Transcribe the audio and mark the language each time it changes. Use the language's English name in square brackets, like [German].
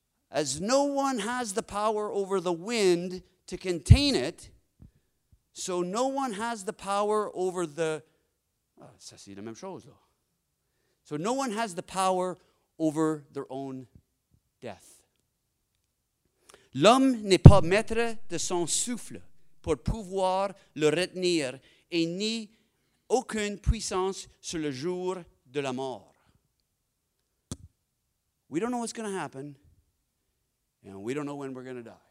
[English] As no one has the power over the wind to contain it, so no one has the power over the... [French] Oh, ça, c'est la même chose, là. [English] So no one has the power over their own death. [French] L'homme n'est pas maître de son souffle pour pouvoir le retenir et ni aucune puissance sur le jour de la mort. [English] We don't know what's going to happen, and we don't know when we're going to die.